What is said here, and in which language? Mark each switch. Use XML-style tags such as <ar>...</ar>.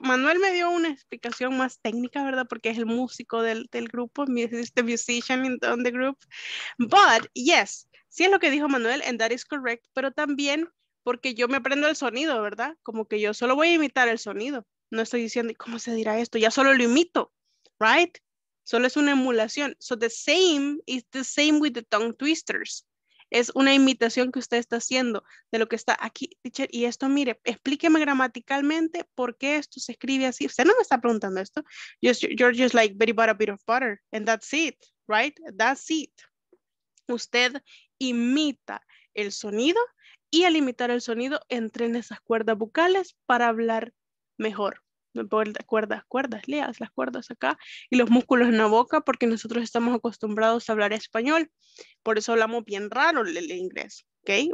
<es>Manuel me dio una explicación más técnica, ¿verdad? Porque es el músico del grupo,</es> <en>the musician in the group.</en> <es>But, yes, sí es lo que dijo Manuel,</es> <en>and that is correct,</en> <es>pero también porque yo me aprendo el sonido, ¿verdad? Como que yo solo voy a imitar el sonido. No estoy diciendo, ¿cómo se dirá esto? Ya solo lo imito, right? Solo es una emulación.</es> <en>So the same is the same with the tongue twisters.</en> <es>Es una imitación que usted está haciendo de lo que está aquí, teacher. Y esto, mire, explíqueme gramaticalmente por qué esto se escribe así. Usted no me está preguntando esto.</es> <en>You're just like, very but a bit of butter. And that's it, right? That's it.</en> <es>Usted imita el sonido y al imitar el sonido entrena esas cuerdas vocales para hablar mejor. Cuerdas, leas las cuerdas acá y los músculos en la boca, porque nosotros estamos acostumbrados a hablar español, por eso hablamos bien raro el inglés, ¿ok?</es>